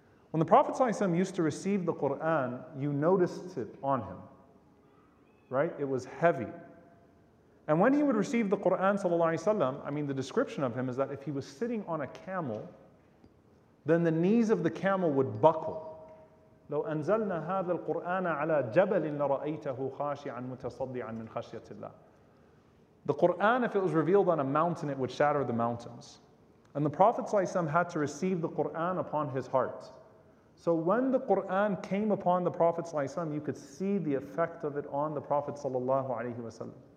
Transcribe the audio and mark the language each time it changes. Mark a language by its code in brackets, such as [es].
[en] When the Prophet ﷺ used to receive the Qur'an, you noticed it on him, right? It was heavy. And when he would receive the Qur'an ﷺ, I mean, the description of him is that if he was sitting on a camel, then the knees of the camel would buckle. [ar] لو أنزلنا هذا القرآن على جبل لرأيته خاشعا متصدعا من خشية الله. [en] The Qur'an, if it was revealed on a mountain, it would shatter the mountains. And the Prophet ﷺ had to receive the Qur'an upon his heart. So when the Qur'an came upon the Prophet ﷺ, you could see the effect of it on the Prophet ﷺ.